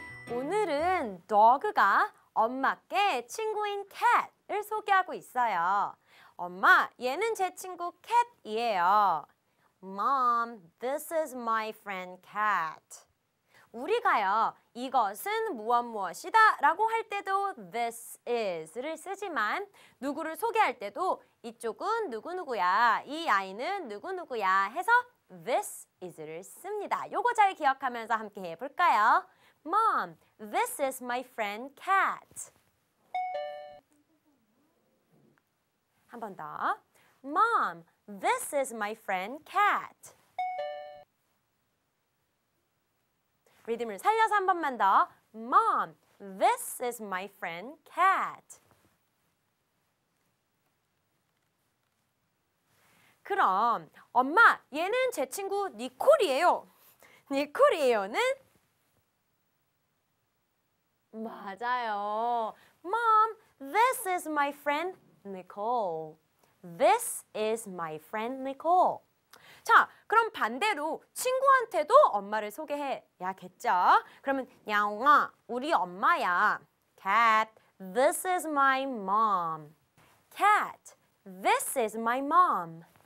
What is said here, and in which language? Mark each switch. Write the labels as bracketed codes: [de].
[ko] 오늘은 dog가 엄마께 친구인 cat을 소개하고 있어요. 엄마, 얘는 제 친구 cat이에요. [en] Mom, this is my friend Cat. [ko] 우리가요, 이것은 무엇 무엇이다 라고 할 때도 this is를 쓰지만 누구를 소개할 때도 이쪽은 누구누구야, 이 아이는 누구누구야 해서 this is를 씁니다. 요거 잘 기억하면서 함께 해볼까요? [en] Mom, this is my friend Cat. [ko] 한 번 더. [en] Mom, this is my friend Cat. [ko] 리듬을 살려서 한 번만 더. [en] Mom, this is my friend Cat. [ko] 그럼 엄마, 얘는 제 친구 니콜이에요. 니콜이에요는? 맞아요. [en] Mom, this is my friend Nicole. This is my friend Nicole. [ko] 자, 그럼 반대로 친구한테도 엄마를 소개해야겠죠? 그러면 냥아, 우리 엄마야. [en] Cat, this is my mom. Cat, this is my mom.